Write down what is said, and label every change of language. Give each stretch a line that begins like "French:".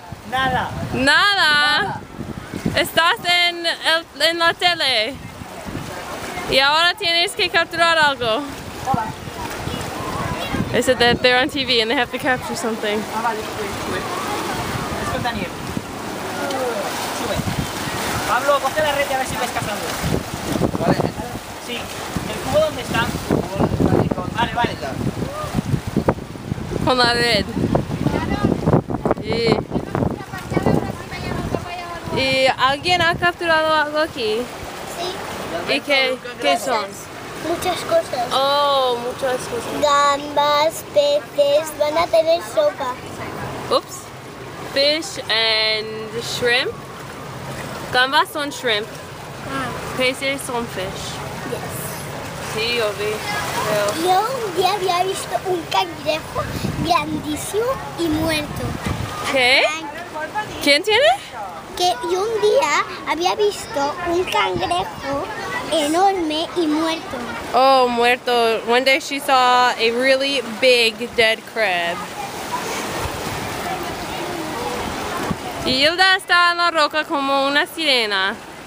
Spanish: Nada. Nada. Nada. Estás en, en la tele. Y ahora tienes que capturar algo. Hola.
English: They said that they're on TV and they have to capture something.
Spanish: Ah, vale, sube, sube.
English: Let's go,
Spanish: Daniel. Sube. Pablo, coge la red y a ver si ves cazando. Vale. Sí. ¿El cubo dónde está? Vale, vale. Con la red. Y alguien ha capturado algo aquí. Sí. ¿Y qué, qué son? Muchas cosas. Oh, muchas cosas. Gambas, peces, van a tener sopa.
English: Oops. Fish and shrimp.
Spanish: Gambas son
English: shrimp.
Spanish: Peces son fish.
English: Yes.
Spanish: Sí, yo vi. Yo un día había visto un cangrejo grandísimo y muerto. ¿Qué? ¿Quién tiene? Que yo un día había visto un cangrejo enorme y muerto. Oh, muerto.
English: One day she saw a really big dead crab.
Spanish: Hilda está en la roca como una sirena.